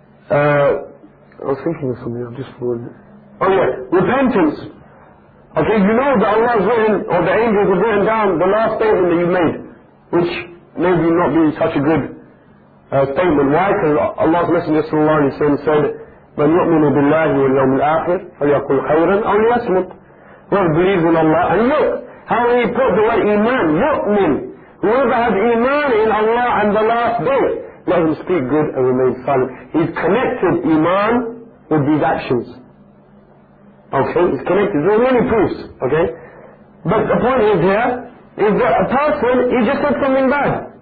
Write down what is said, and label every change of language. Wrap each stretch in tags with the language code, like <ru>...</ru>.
<en>I was thinking of something, I just wanted it. Oh yeah, repentance. Okay, you know that Allah's written, or the angels have written down the last statement that you made, which maybe not be such a good statement. Why? Because Allah's Messenger sallallahu alayhi wa sallam said,</en> <ar>مَنْ يُؤْمِنُ بِاللَّهِ وَالْيَوْمِ الْآخِرِ فَلْيَقُلْ خَيْرًا أَوْ لِيَصْمُتْ.</ar> <en>Whoever believes in Allah, and look how he put the word iman, mu'min. Whoever has iman in Allah and the last day, let him speak good and remain silent. He's connected iman with these actions. Okay, it's connected. There are many proofs, okay? But the point is here, is that a person, he just said something bad.</en>